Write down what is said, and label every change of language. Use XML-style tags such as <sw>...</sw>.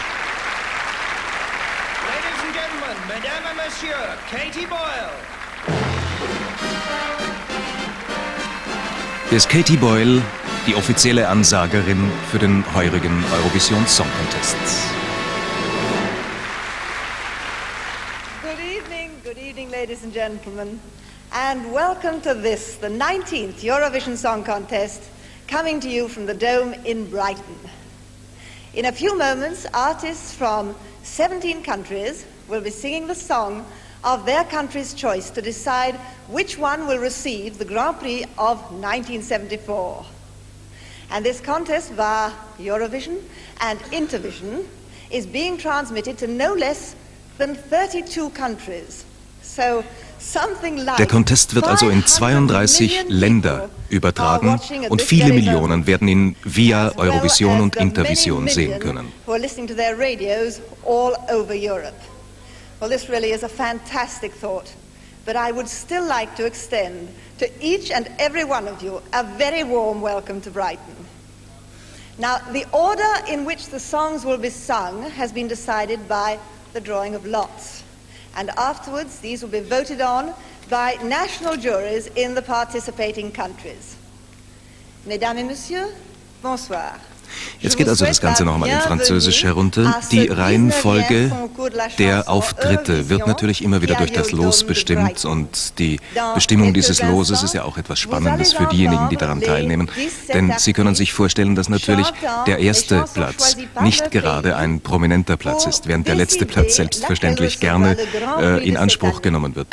<en>Ladies and gentlemen, Madame and Monsieur, Katie Boyle.</en> <de>Hier ist Katie Boyle, die offizielle Ansagerin für den heurigen Eurovision Song Contest.</de> <en>Good evening, ladies and gentlemen, and welcome to this, the 19th Eurovision Song Contest, coming to you from the Dome in Brighton. In a few moments, artists from 17 countries will be singing the song of their country's choice to decide which one will receive the Grand Prix of 1974. And this contest via Eurovision and Intervision is being transmitted to no less than 32 countries. So something like.</en> <de>Der Contest wird also in 32 Länder übertragen und viele Millionen werden ihn via Eurovision und Intervision sehen können.</de> <en>Who are listening to their radios all over Europe. Well, this really is a fantastic thought, but I would still like to extend to each and every one of you a very warm welcome to Brighton. Now, the order in which the songs will be sung has been decided by the drawing of lots. And afterwards, these will be voted on by national juries in the participating countries.</en> <fr>Mesdames et Messieurs, bonsoir.</fr> <de>Jetzt geht also das Ganze nochmal in Französisch herunter. Die Reihenfolge der Auftritte wird natürlich immer wieder durch das Los bestimmt und die Bestimmung dieses Loses ist ja auch etwas Spannendes für diejenigen, die daran teilnehmen. Denn Sie können sich vorstellen, dass natürlich der erste Platz nicht gerade ein prominenter Platz ist, während der letzte Platz selbstverständlich gerne in Anspruch genommen wird.</de>